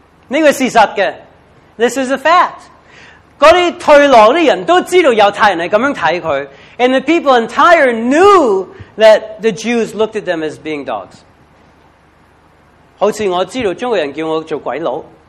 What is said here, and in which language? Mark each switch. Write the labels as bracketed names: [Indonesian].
[Chinese] 这个是事实的。 [English] This is a fact. [Chinese] 那些退路的人都知道犹太人是这样看他。 [English] And the people in Tyre knew that the Jews looked at them as being dogs. [Chinese] 好像我知道中国人叫我做鬼佬。